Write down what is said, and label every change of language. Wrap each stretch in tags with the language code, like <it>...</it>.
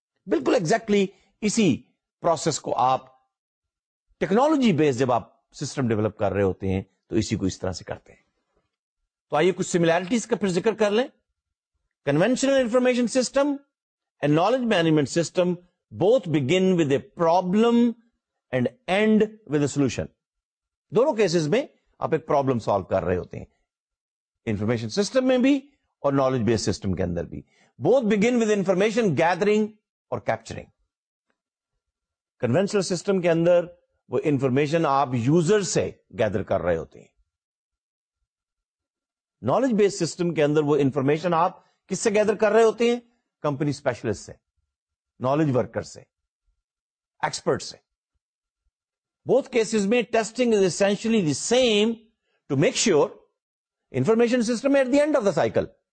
<ur>بالکل exactly اسی process کو آپ technology based جب آپ system develop کر رہے ہوتے ہیں تو اسی کو اس طرح سے کرتے ہیں. تو آئیے کچھ similarities کا پھر ذکر کر لیں.</ur> <en>Conventional information system and knowledge management system both begin with a problem and end with a solution.</en> <ur>دونوں cases میں آپ ایک problem solve کر رہے ہوتے ہیں. Information system میں بھی اور نالج بیس سسٹم کے اندر بھی.</ur> <en>Both begin with information gathering اور capturing.</en> <ur>کنونشنل سسٹم کے اندر وہ انفارمیشن آپ یوزر سے گیدر کر رہے ہوتے ہیں, نالج بیس سسٹم کے اندر وہ انفارمیشن آپ کس سے گیدر کر رہے ہوتے ہیں, کمپنی اسپیشلسٹ سے, نالج ورکر سے, ایکسپرٹ سے.</ur> <en>Both cases میں testing is essentially the same to make sure information system at the end of the cycle.</en>